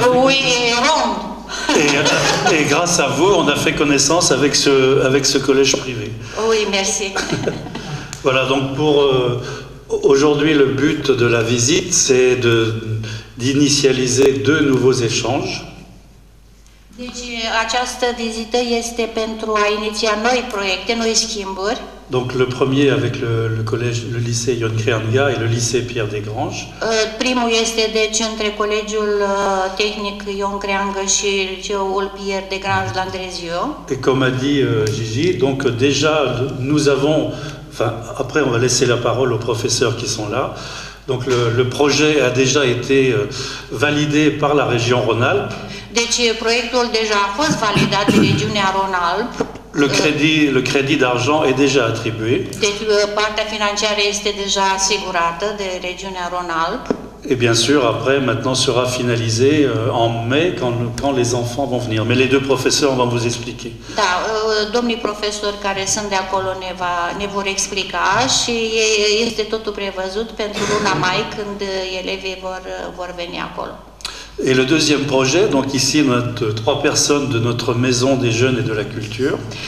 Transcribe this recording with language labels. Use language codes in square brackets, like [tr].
[fr] fait... Oui, rond. Et grâce à vous, on a fait connaissance avec ce collège privé. Oui, merci. Voilà, donc pour aujourd'hui, le but de la visite, c'est d'initialiser deux nouveaux échanges. [ro] Deci această vizită este pentru a iniția noi proiecte, noi schimburi. [fr] Donc le premier avec le collège, le lycée Yon Kreanga et le lycée Pierre Desgranges. [ro] Primul este deci între Colegiul Tehnic Yon Kreanga și liceul Pierre Desgranges d'Andrézieu. [fr] Et comme a dit Gigi, donc déjà nous avons, enfin après on va laisser la parole aux professeurs qui sont là. Donc le projet a déjà été validé par la région Rhône-Alpes. [ro] Deci proiectul deja a fost validat de regiunea Rhône-Alpes. [fr] Le crédit d'argent est déjà attribué. [ro] Deci partea financiară este deja asigurată de regiunea Rhône-Alpes. [fr] Et bien sûr, après, maintenant sera finalisé en mai quand les enfants vont venir. Mais les deux professeurs vont vous expliquer. [ro] Da, domnii profesori care sunt de acolo ne vor explica și este totul prevăzut pentru luna mai când elevii vor veni acolo. [fr] Et le deuxième projet, donc ici, notre trois personnes de notre maison des jeunes et de la culture.